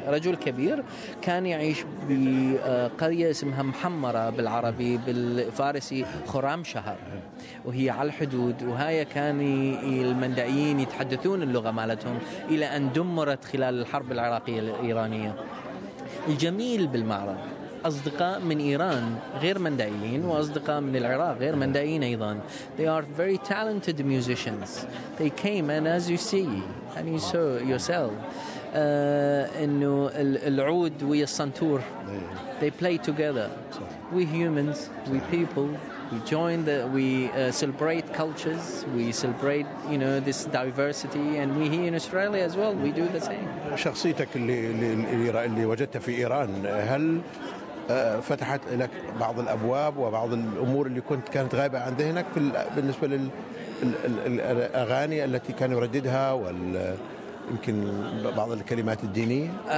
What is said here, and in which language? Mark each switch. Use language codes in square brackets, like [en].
[ar] رجل كبير كان يعيش بقرية اسمها محمرة بالعربي بالفارسي خرام شهر، وهي على الحدود، وهي كان المندعيين يتحدثون اللغة مالتهم إلى أن دمرت خلال الحرب العراقية الإيرانية. الجميل بالمعرض أصدقاء من إيران غير مندعيين، وأصدقاء من العراق غير مندعيين أيضا. [en] They are very talented musicians. They came and as you see and you saw yourself [ar] إنه العود ويا الصنطور. [en] They play together. We humans, we people, we join the, we celebrate cultures, we celebrate, you know, this diversity, and we here in Australia as well, we do the same. [ar] شخصيتك اللي وجدتها في إيران، هل فتحت لك بعض الأبواب وبعض الأمور اللي كانت غايبة عن ذهنك بالنسبة للأغاني التي كان يرددها وال يمكن بعض الكلمات الدينية؟